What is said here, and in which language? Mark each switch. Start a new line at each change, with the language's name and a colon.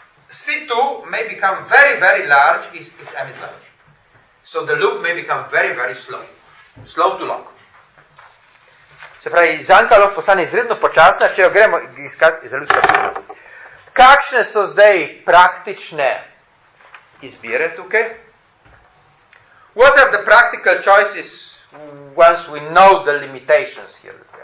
English: C2 may become very, very large if m is large. So the loop may become very, very slow. Slow to long.
Slovenian: Se pravi, zanka lahko postane izredno počasna, če jo gremo iskati zelo slabo. Kakšne so zdaj praktične izbire tukaj?
English: What are the practical choices once we know the limitations here?